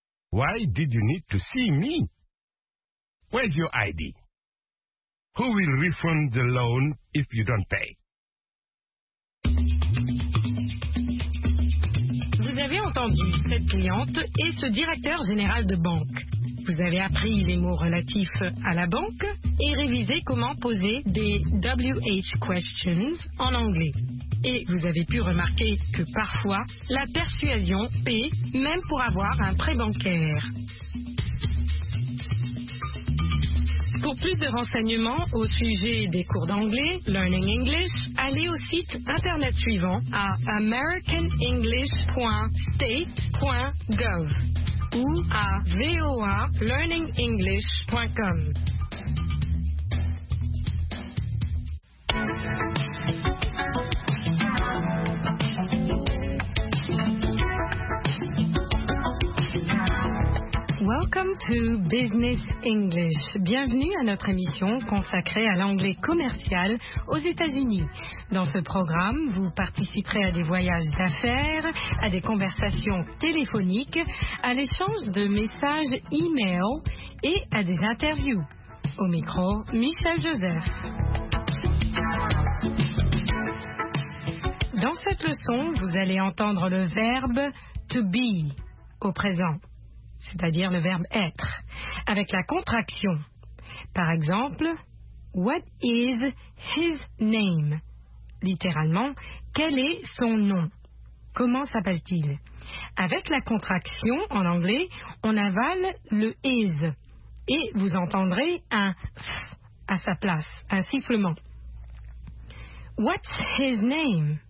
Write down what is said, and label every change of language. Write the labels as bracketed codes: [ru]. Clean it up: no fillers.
[en] Why did you need to see me? Where's your ID? Who will refund the loan if you don't pay? [fr] Vous avez entendu cette cliente et ce directeur général de banque. Vous avez appris les mots relatifs à la banque et révisé comment poser des WH questions en anglais. Et vous avez pu remarquer que parfois, la persuasion paie même pour avoir un prêt bancaire. Pour plus de renseignements au sujet des cours d'anglais, Learning English, allez au site internet suivant à americanenglish.state.gov ou à voalearningenglish.com. [en] Welcome to Business English. [fr] Bienvenue à notre émission consacrée à l'anglais commercial aux États-Unis. Dans ce programme, vous participerez à des voyages d'affaires, à des conversations téléphoniques, à l'échange de messages e-mail et à des interviews. Au micro, Michel Joseph. Dans cette leçon, vous allez entendre le verbe to be au présent. C'est-à-dire le verbe être, avec la contraction. Par exemple, [en] what is his name? [fr] Littéralement, quel est son nom? Comment s'appelle-t-il? Avec la contraction, en anglais, on avale le is, et vous entendrez un f à sa place, un sifflement. [en] What's his name?